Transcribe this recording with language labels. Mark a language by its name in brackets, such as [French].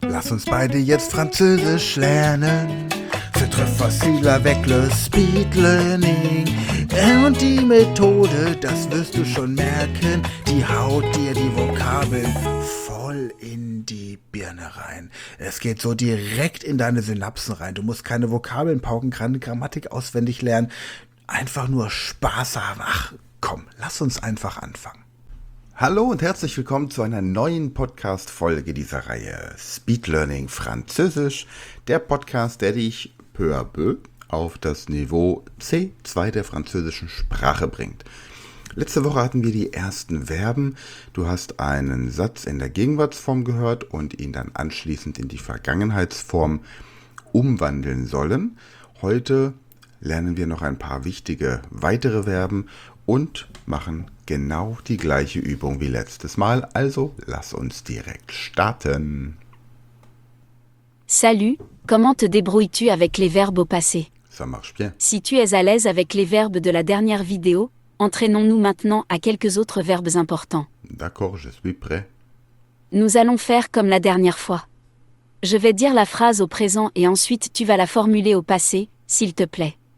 [German] lass uns beide jetzt Französisch lernen. Fütre Fossil avec le Speed Learning. Und die Methode, das wirst du schon merken, die haut dir die Vokabeln voll in die Birne rein. Es geht so direkt in deine Synapsen rein. Du musst keine Vokabeln pauken, keine Grammatik auswendig lernen. Einfach nur Spaß haben. Ach komm, lass uns einfach anfangen. Hallo und herzlich willkommen zu einer neuen Podcast-Folge dieser Reihe Speed Learning Französisch, der Podcast, der dich [French] peu à peu [German] auf das Niveau C2 der französischen Sprache bringt. Letzte Woche hatten wir die ersten Verben. Du hast einen Satz in der Gegenwartsform gehört und ihn dann anschließend in die Vergangenheitsform umwandeln sollen. Heute lernen wir noch ein paar wichtige weitere Verben und machen genau die gleiche Übung wie letztes Mal. Also lass uns direkt starten. [French] Salut, comment te débrouilles-tu avec les verbes au passé? Ça marche bien. Si tu es à l'aise avec les verbes de la dernière vidéo, entraînons-nous maintenant à quelques autres verbes importants. D'accord, je suis prêt. Nous allons faire comme la dernière fois. Je vais dire la phrase au présent et ensuite tu vas la formuler au passé, s'il te plaît.